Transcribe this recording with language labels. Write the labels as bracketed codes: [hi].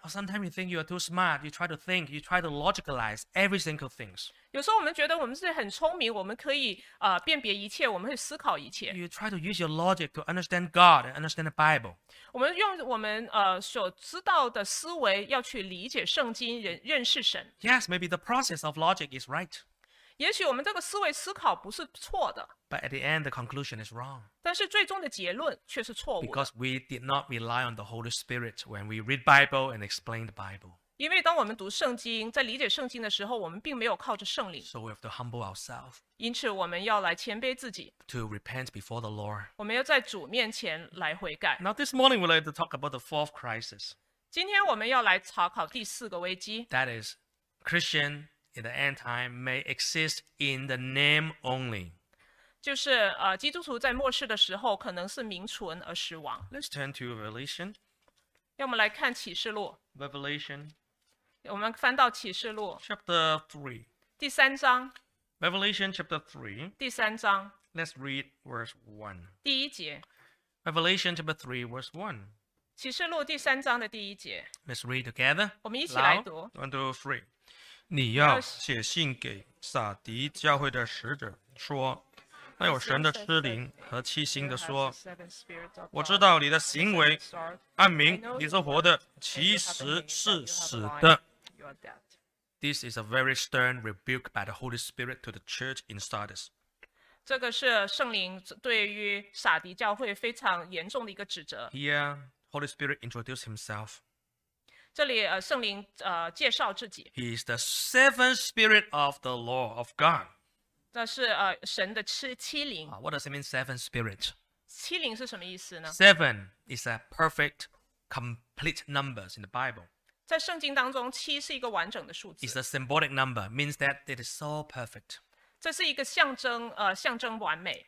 [en] Sometimes you think you are too smart, you try to think, you try to logicalize every single things. [zh] 有时候我们觉得我们是很聪明, 我们可以, 辨别一切, 我们会思考一切。 [en] You try to use your logic to understand God and understand the Bible. [zh] 我们用我们, 所知道的思维要去理解圣经, 认识神。 [en] Yes, maybe the process of logic is right. [zh] 也许我们这个思维思考不是错的。 [en] But at the end, the conclusion is wrong. [zh] 但是最终的结论却是错误的。 [en] Because we did not rely on the Holy Spirit when we read Bible and explain the Bible. [zh] 因为当我们读圣经, 在理解圣经的时候, 我们并没有靠着圣灵。 [en] So we have to humble ourselves. [zh] 因此我们要来谦卑自己。 [en] To repent before the Lord. [zh] 我们要在主面前来悔改。 [en] Now this morning, we'd like to talk about the fourth crisis. [zh] 今天我们要来查考第四个危机。 [en] That is, Christian in the end time may exist in the name only. [zh] 就是基督徒在末世的时候可能是名存而死亡。 [en] Let's turn to Revelation. [zh] 让我们来看启示录。 [en] Revelation. [zh] 我们翻到启示录。 [en] Chapter 3. [zh] 第三章。 [en] Revelation chapter 3. [zh] 第三章。 [en] Let's read verse 1. [zh] 第一节。 [en] Revelation chapter 3 verse 1. [zh] 启示录第三章的第一节。 [en] Let's read together. [zh] 我们一起来读。 [en] One, two, three. [zh] 你要写信给撒迪教会的使者，说：那有神的痴灵和七星的说，我知道你的行为，按明你是活的，其实是死的。 [en] This is a very stern rebuke by the Holy Spirit to the church in Sardis. [zh] 这个是圣灵对于撒迪教会非常严重的一个指责。 [en] Here, Holy Spirit introduced himself. [zh] 这里圣灵介绍自己。 [en] He is the seventh spirit of the Lord of God. [zh] 这是神的七灵。 [en] What does it mean, seven spirit? [zh] 七灵是什么意思呢？ [en] Seven is a perfect, complete numbers in the Bible. [zh] 在圣经当中，七是一个完整的数字。 [en] It's a symbolic number, means that it is so perfect. [zh] 这是一个象征，象征完美。